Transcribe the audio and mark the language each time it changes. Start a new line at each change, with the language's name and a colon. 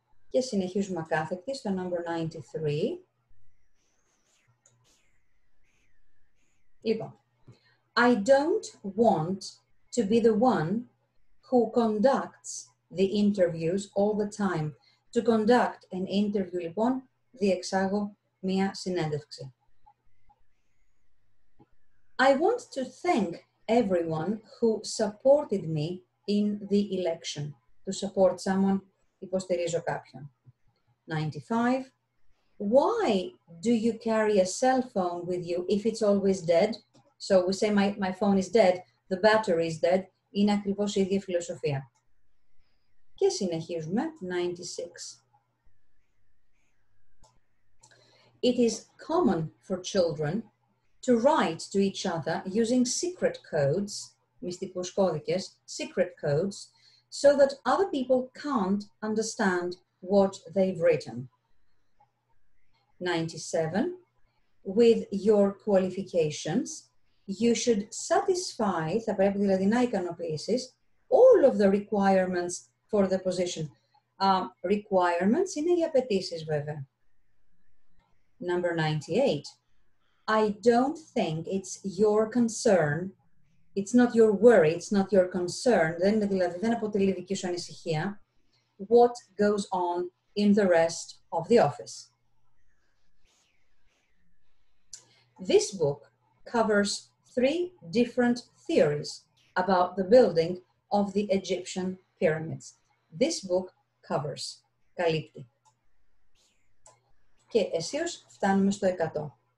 Greek: Και συνεχίζουμε ακάθεκτη στο number 93.
English: Λοιπόν, I don't want to be the one who conducts the interviews all the time. To conduct an interview,
Greek: λοιπόν, διεξάγω μία συνέντευξη.
English: I want to thank everyone who supported me in the election. To support someone,
Greek: υποστηρίζω κάποιον.
English: 95. Why do you carry a cell phone with you if it's always dead? So we say my phone is dead, the battery is dead.
Greek: Είναι ακριβώς η ίδια φιλοσοφία. Και συνεχίζουμε, 96.
English: It is common for children to write to each other using secret codes,
Greek: μυστικούς κώδικες,
English: secret codes, so that other people can't understand what they've written. 97. With your qualifications, you should satisfy,
Greek: θα πρέπει δηλαδή να ικανοποιήσεις,
English: all of the requirements for the position.
Greek: Requirements είναι οι απαιτήσεις βέβαια.
English: Number 98. I don't think it's your concern. It's not your worry, it's not your concern.
Greek: Δεν είναι δηλαδή, δεν αποτελεί δική σου ανησυχία.
English: What goes on in the rest of the office? This book covers three different theories about the building of the Egyptian pyramids. This book covers.
Greek: Καλύπτει. Και εσείς φτάνουμε στο 100.